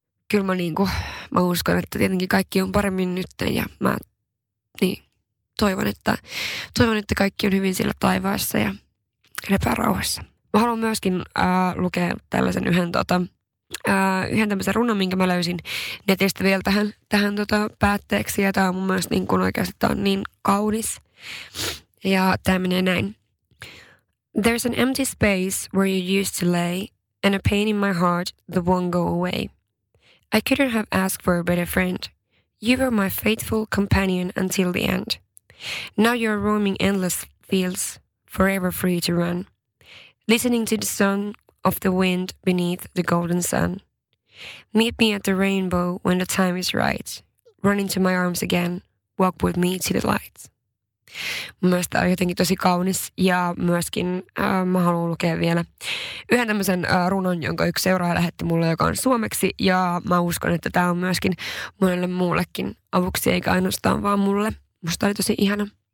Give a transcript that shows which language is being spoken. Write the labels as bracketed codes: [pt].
[fi] kyllä mä, niin kuin, mä uskon, että tietenkin kaikki on paremmin nyt ja mä niin, toivon, että kaikki on hyvin siellä taivaassa ja lepää rauhassa. Mä haluan myöskin lukea tällaisen yhden tämmöisen runon, minkä mä löysin netistä vielä tähän päätteeksi. Ja tää on mun mielestä niin kuin oikeasti, tää on niin kaunis. Ja tää menee näin. [en] There's an empty space where you used to lay, and a pain in my heart that won't go away. I couldn't have asked for a better friend. You were my faithful companion until the end. Now you're roaming endless fields, forever free to run. Listening to the song of the wind beneath the golden sun. Meet me at the rainbow when the time is right. Run into my arms again. Walk with me to the light. [fi] Myös tämä on jotenkin tosi kaunis ja myöskin mä haluan lukea vielä yhden tämmöisen runon, jonka yksi seuraaja lähetti mulle, joka on suomeksi. Ja mä uskon, että tämä on myöskin monelle muullekin avuksi, eikä ainoastaan vaan mulle. Musta oli tosi ihana.